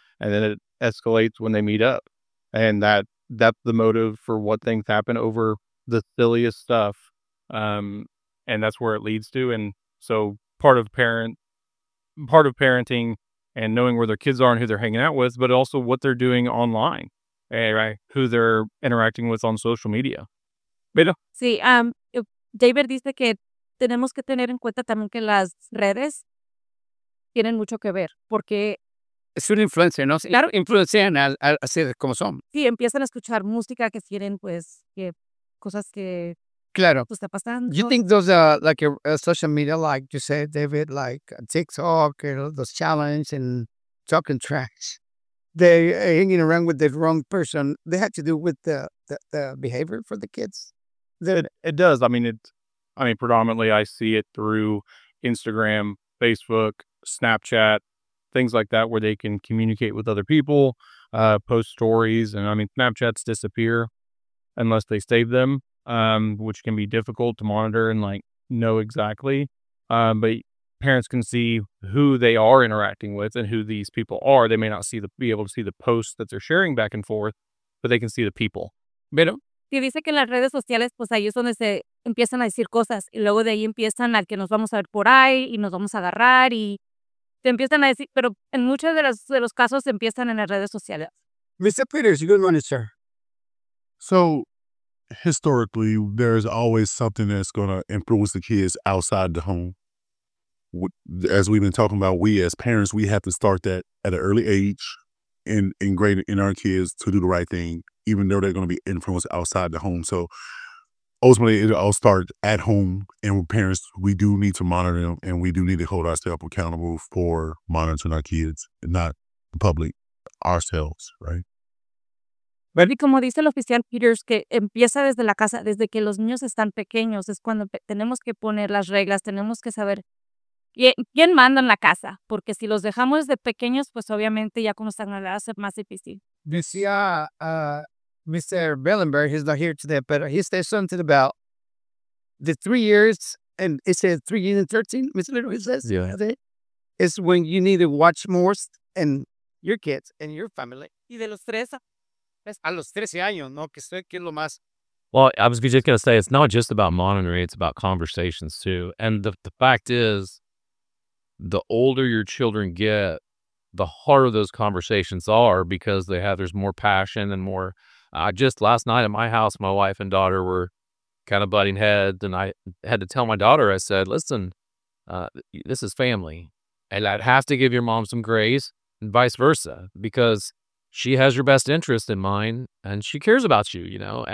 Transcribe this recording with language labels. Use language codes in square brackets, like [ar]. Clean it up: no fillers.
[en] And then it escalates when they meet up. And that's the motive for what things happen over the silliest stuff. And that's where it leads to. And so part of parent part of parenting and knowing where their kids are and who they're hanging out with, but also what they're doing online, right? Who they're interacting with on social media. Beto. [es] Sí, David dice que tenemos que tener en cuenta también que las redes tienen mucho que ver, porque es un influencer, ¿no? Claro, influencian al ser como son. Sí, empiezan a escuchar música que tienen, pues, que cosas que claro. Pues, está pasando. [en] You think those are like a social media, like you said, David, like TikTok, you know, those challenges and talking trash. They hanging around with the wrong person. They had to do with the behavior for the kids. It does. I mean, predominantly I see it through Instagram, Facebook, Snapchat, things like that, where they can communicate with other people, post stories. And I mean, Snapchats disappear unless they save them, which can be difficult to monitor and like know exactly. But parents can see who they are interacting with and who these people are. They may not be able to see the posts that they're sharing back and forth, but they can see the people. [es] Pero, si dice que en las redes sociales, pues ahí es donde se empiezan a decir cosas y luego de ahí empiezan al que nos vamos a ver por ahí y nos vamos a agarrar y te empiezan a decir, pero en muchos de los casos empiezan en las redes sociales. [en] Mr. Peters, good morning, sir. So, historically, there's always something that's going to influence the kids outside the home. As we've been talking about, we as parents, we have to start that at an early age and ingrained in our kids to do the right thing, even though they're going to be influenced outside the home. So ultimately, it all starts at home. And with parents, we do need to monitor them, and we do need to hold ourselves accountable for monitoring our kids, not the public, ourselves, right? But, [es] y como dice el oficial Peters, que empieza desde la casa, desde que los niños están pequeños, es cuando tenemos que poner las reglas, tenemos que saber quién manda en la casa, porque si los dejamos de pequeños, pues obviamente ya como están grandes va a ser más difícil. [en] Decía Mr. Bellenberg, he's not here today, but he said something about the 3 years, and it said 3 years and 13, Mr. Little, he says, yeah. Is when you need to watch most and your kids and your family. [es] Y de los tres a los 13 años, ¿no? Que sé que es lo más. [en] Well, I was just going to say, it's not just about monitoring, it's about conversations too. And the fact is, the older your children get, the harder those conversations are because they have, there's more passion and more. Just last night at my house, my wife and daughter were kind of butting heads, and I had to tell my daughter, I said, listen, this is family, and I'd have to give your mom some grace and vice versa, because she has your best interest in mind and she cares about you, you know.